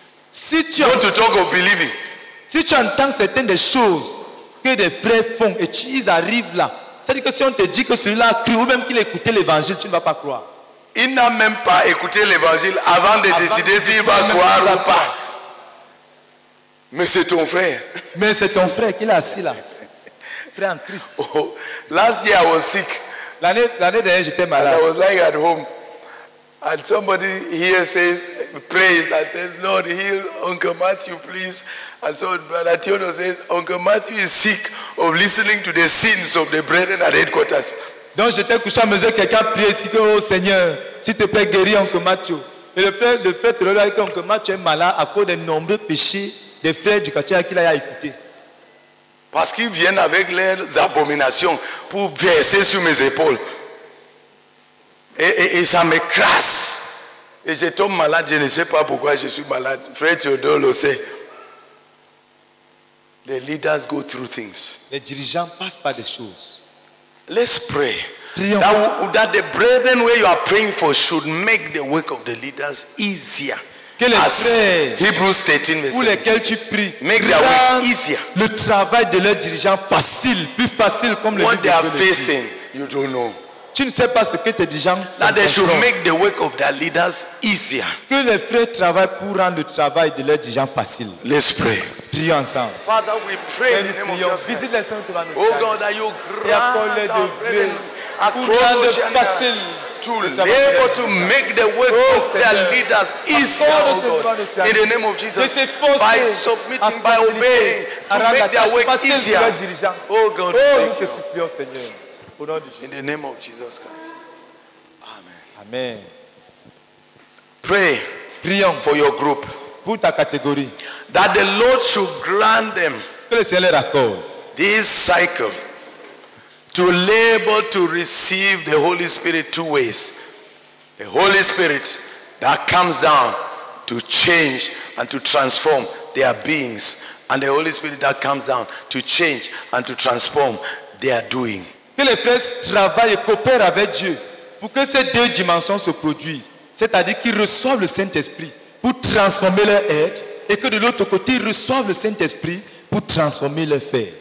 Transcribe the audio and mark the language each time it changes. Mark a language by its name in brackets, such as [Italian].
[French] Si tu [English] want to talk of believing. [French] Si tu entends certaines des choses que des frères font et ils arrivent là, c'est-à-dire que si on te dit que celui-là a cru ou même qu'il a écouté l'évangile, tu ne vas pas croire. Il n'a même pas écouté l'évangile avant de décider s'il va croire ou pas. Mais c'est ton frère. Mais c'est ton frère qui est assis là. Frère en Christ. [English] Oh, last year I was sick. [French] L'année dernière j'étais malade. [English] And I was lying at home. And somebody here says, prays and says, Lord, heal Uncle Mathew, please. And so Brother Theodore says, Uncle Mathew is sick of listening to the sins of the brethren at headquarters. [French] Donc j'étais couché à mesure que quelqu'un priait ici que, oh Seigneur, s'il te plaît, guéris Oncle Mathieu. Et le frère te l'a dit qu'Oncle Mathieu est malade à cause des nombreux péchés des frères du quartier qu'il a écouté. Parce qu'ils viennent avec leurs abominations pour verser sur mes épaules. Et ça me crasse. Et je tombe malade, je ne sais pas pourquoi je suis malade. Frère Théodore le sait. Les [English] leaders go through things. [French] Les dirigeants passent par des choses. [English] Let's pray. [French] Prions. [English] That the brethren where you are praying for should make the work of the leaders easier. [French] Que les [English] as Hebrews 13 verse [French] 17. Lesquels tu pries, [English] make their work easier. [French] Le travail de leurs dirigeants facile, plus facile comme [English] what [French] le [English] they are facing, you don't know. [French] Tu ne sais pas ce que tes dirigeants font. [English] That they should make the work of their leaders easier. [French] Que les frères travaillent pour rendre le travail de leurs dirigeants facile. [English] Let's pray. [French] Prions ensemble. [English] Father, we pray in the name of Jesus Christ. Oh God, that you grant our brethren across the channel to labor to make the work of their leaders easier, oh God, in the name of Jesus, by submitting, by obeying, to make their work easier. Oh God, thank you. In the name of Jesus Christ. Amen. Amen. Pray. [French] Prions [English] for your group. [French] Pour ta catégorie. [English] That the Lord should grant them [French] que le Seigneur accorde [English] this cycle to labor to receive the Holy Spirit two ways. The Holy Spirit that comes down to change and to transform their beings, and the Holy Spirit that comes down to change and to transform their doing. [French] Que les frères travaillent et coopèrent avec Dieu pour que ces deux dimensions se produisent, c'est-à-dire qu'ils reçoivent le Saint-Esprit pour transformer leur être, et que de l'autre côté, ils reçoivent le Saint-Esprit pour transformer leur faire.